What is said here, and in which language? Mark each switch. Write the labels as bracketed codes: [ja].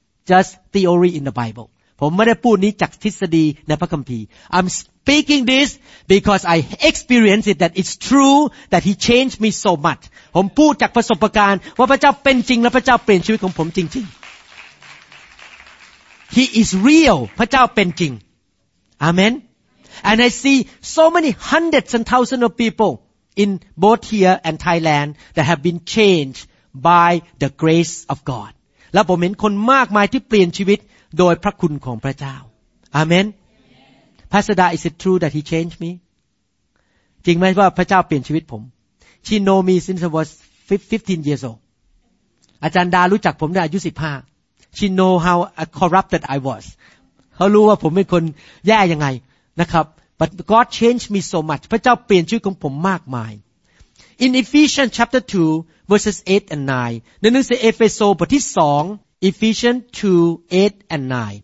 [en] just theory in the Bible [th] ผมไม่ได้พูดนี้จากทฤษฎีในพระคัมภีร์ [en] I'm speaking this because I experience it that it's true that he changed me so much [th] ผมพูดจากประสบการณ์ว่าพระเจ้าเป็นจริงและพระเจ้าเปลี่ยนชีวิตของผมจริงๆ [en] He is real [th] พระเจ้าเป็นจริง [en] AmenAnd I see so many hundreds and thousands of people in both here and Thailand that have been changed by the grace of God. [th] แล้วผมเห็นคนมากมายที่เปลี่ยนชีวิตโดยพระคุณของพระเจ้า Amen. [en] Pastor Da, is it true that he changed me? [th] จริงไหมว่าพระเจ้าเปลี่ยนชีวิตผม [en] She know me since I was 15 years old. [th] อาจารย์ดารู้จักผมตั้งแต่อายุ15 [en] She know how corrupted I was. [th] เขารู้ว่าผมเป็นคนแย่ยังไงนะครับ [en] but God changed me so much [th] พระเจ้าเปลี่ยนชีวิตของผมมากมาย [en] in Ephesians chapter 2 verses 8 and 9 [th] ในหนังสือเอเฟโซบทที่2 [en] Ephesians 2 8 and 9